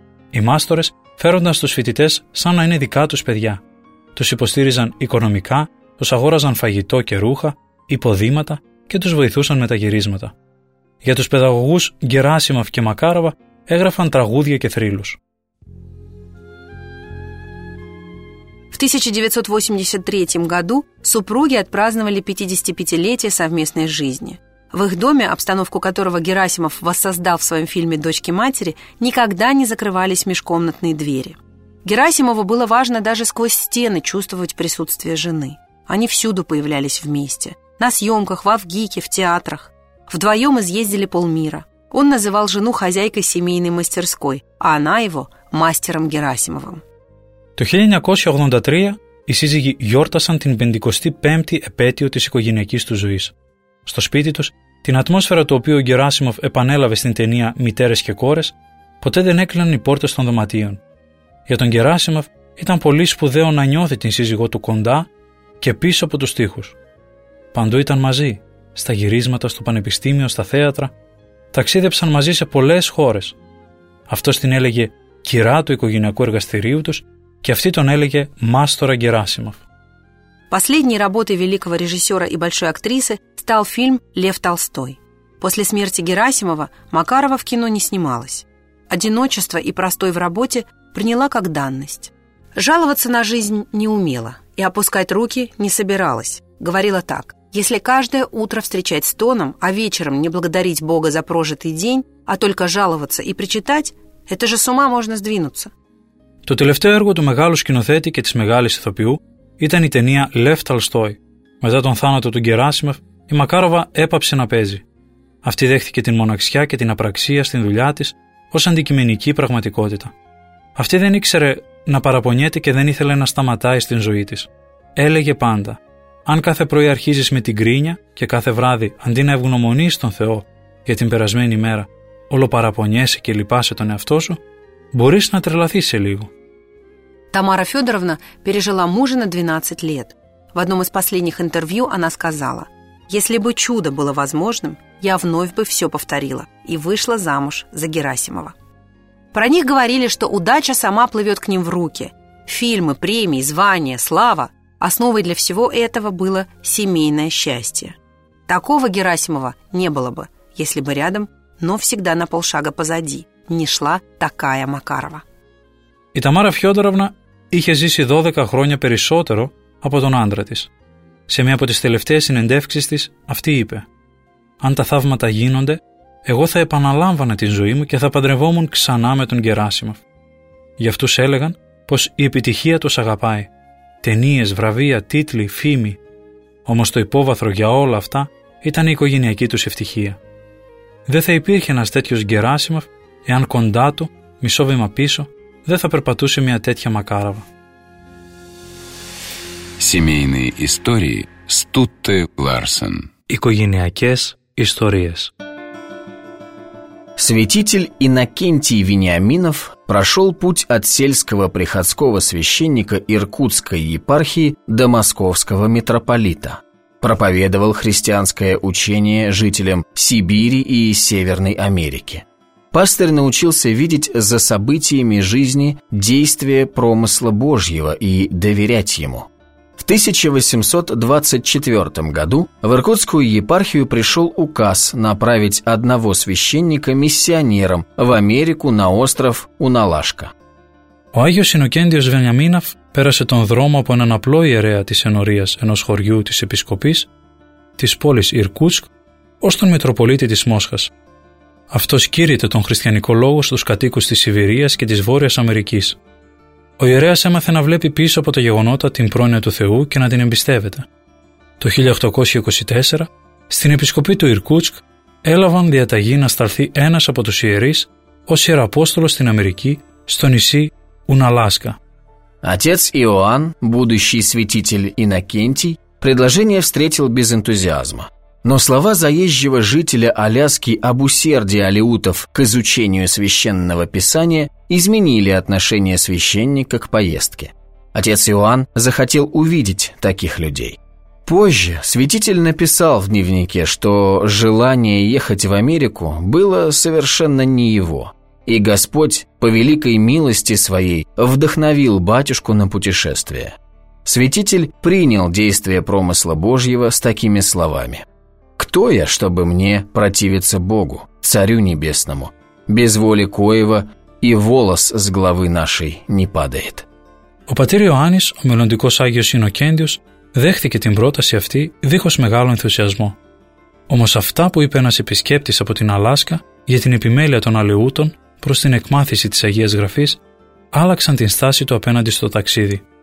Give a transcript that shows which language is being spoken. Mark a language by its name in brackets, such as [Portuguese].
[Greek] Οι μάστορες φέρονταν στους φοιτητές σαν να είναι δικά τους παιδιά. Τους υποστήριζαν οικονομικά, τους αγόραζαν φαγητό και ρούχα, υποδήματα και τους βοηθούσαν με τα γυρίσματα. Για τους παιδαγωγούς Γεράσιμοφ και Μακάραβα έγραφαν τραγούδια και θρύλους. [Russian] В 1983 году супруги отпраздновали 55-летие совместной жизни. В их доме, обстановку которого Герасимов воссоздал в своем фильме «Дочки матери», никогда не закрывались межкомнатные двери. Герасимову было важно даже сквозь стены чувствовать присутствие жены. Они всюду появлялись вместе. На съемках, во ВГИКе, в театрах. Вдвоем изъездили полмира. Он называл жену хозяйкой семейной мастерской, а она его мастером Герасимовым. [Greek] Το 1983 οι σύζυγοι γιόρτασαν την 55η επέτειο της οικογενειακής τους ζωής. Στο σπίτι τους, την ατμόσφαιρα του οποίου ο Γεράσιμοφ επανέλαβε στην ταινία «Μητέρες και κόρες», ποτέ δεν έκλειναν οι πόρτες των δωματίων. Για τον Γεράσιμοφ ήταν πολύ σπουδαίο να νιώθει την σύζυγό του κοντά και πίσω από τους τοίχους. Παντού ήταν μαζί, στα γυρίσματα, στο πανεπιστήμιο, στα θέατρα, ταξίδεψαν μαζί σε πολλές χώρες. Αυτός την έλεγε «κυρά του οικογενειακού εργαστηρίου τους», και αυτή τον έλεγε [Russian] «Мастора Герасимов». Последней работой великого режиссера и большой актрисы стал фильм «Лев Толстой». После смерти Герасимова Макарова в кино не снималась. Одиночество и простой в работе приняла как данность. Жаловаться на жизнь не умела и опускать руки не собиралась. Говорила так: «Если каждое утро встречать стоном, а вечером не благодарить Бога за прожитый день, а только жаловаться и причитать, это же с ума можно сдвинуться». [Greek] Το τελευταίο έργο του μεγάλου σκηνοθέτη και της μεγάλης ηθοποιού ήταν η ταινία «Lev Tolstoy». Μετά τον θάνατο του Γεράσιμοφ, η Μακάραβα έπαψε να παίζει. Αυτή δέχτηκε την μοναξιά και την απραξία στην δουλειά της ως αντικειμενική πραγματικότητα. Αυτή δεν ήξερε να παραπονιέται και δεν ήθελε να σταματάει στην ζωή της. Έλεγε πάντα: «Αν κάθε πρωί αρχίζεις με την γκρίνια και κάθε βράδυ, αντί να ευγνωμονείς τον Θεό για την περασμένη μέρα, ολοπαραπονιέσαι και λυπάσαι τον εαυτό σου, μπορείς να τρελαθείς σε λίγο». [Russian] Тамара Федоровна пережила мужа на 12 лет. В одном из последних интервью она сказала: «Если бы чудо было возможным, я вновь бы все повторила и вышла замуж за Герасимова». Про них говорили, что удача сама плывет к ним в руки. Фильмы, премии, звания, слава – основой для всего этого было семейное счастье. Такого Герасимова не было бы, если бы рядом, но всегда на полшага позади, не шла такая Макарова. [Greek] Η Ταμάρα Φιόδωροβνα είχε ζήσει 12 χρόνια περισσότερο από τον άντρα της. Σε μία από τις τελευταίες συνεντεύξεις της, αυτή είπε: «Αν τα θαύματα γίνονται, εγώ θα επαναλάμβανα την ζωή μου και θα παντρευόμουν ξανά με τον Γεράσιμοφ». Για αυτούς έλεγαν πως η επιτυχία τους αγαπάει. Ταινίες, βραβεία, τίτλοι, φήμη. Όμως το υπόβαθρο για όλα αυτά ήταν η οικογενειακή τους ευτυχία. Δεν θα υπήρχε ένας τέτοιος Γκεράσιμοφ εάν κοντά του, μισό βήμα πίσω, δεν θα περπατούσε μια τέτοια μακάραβα. [Russian] Семейные истории Стутте Ларсен. [Greek] Οικογενειακές ιστορίες. [Russian] Святитель Иннокентий Вениаминов прошел путь от сельского приходского священника Иркутской епархии до московского митрополита. Проповедовал христианское учение жителям Сибири и Северной Америки. Пастырь научился видеть за событиями жизни действие промысла Божьего и доверять ему. В 1824 году в Иркутскую епархию пришел указ направить одного священника миссионером в Америку на остров Уналашка. [Greek] Ο Άγιος Ινοκέντιος Βενιαμίνοφ πέρασε τον δρόμο από έναν απλό ιερέα της ενορίας ενός χωριού της Επισκοπής, της πόλης Ιρκούτσκ, ως τον Μητροπολίτη της Μόσχας. Αυτός κήρυτε τον χριστιανικό λόγο στους κατοίκους της Σιβηρίας και της Βόρειας Αμερικής. Ο ιερέας έμαθε να βλέπει πίσω από τα γεγονότα την πρόνοια του Θεού και να την εμπιστεύεται. Το 1824, στην Επισκοπή του Ιρκούτσκ, έλαβαν διαταγή να σταλθεί ένας από τους ιερείς ως ιεραπόστολος στην Αμερική, στο νησί Уналашка. [Russian] Отец Иоанн, будущий святитель Иннокентий, предложение встретил без энтузиазма. Но слова заезжего жителя Аляски об усердии алеутов к изучению священного писания изменили отношение священника к поездке. Отец Иоанн захотел увидеть таких людей. Позже святитель написал в дневнике, что желание ехать в Америку было совершенно не его. И Господь, по великой милости своей, вдохновил батюшку на путешествие. Святитель принял действие промысла Божьего с такими словами. «Кто я, чтобы мне противиться Богу, Царю Небесному? Без воли Коева и волос с головы нашей не падает». [Greek] Ο πατήρ Ιωάννης, ο μελλοντικός Άγιος Ινοκέντιος, δέχθηκε την πρόταση αυτή δίχως μεγάλο ενθουσιασμό. Όμως αυτά που είπε ένας επισκέπτης από την Αλάσκα για την επιμέλεια των αλεούτων προς την εκμάθηση της Αγίας Γραφής, άλλαξαν την στάση του απέναντι στο ταξίδι.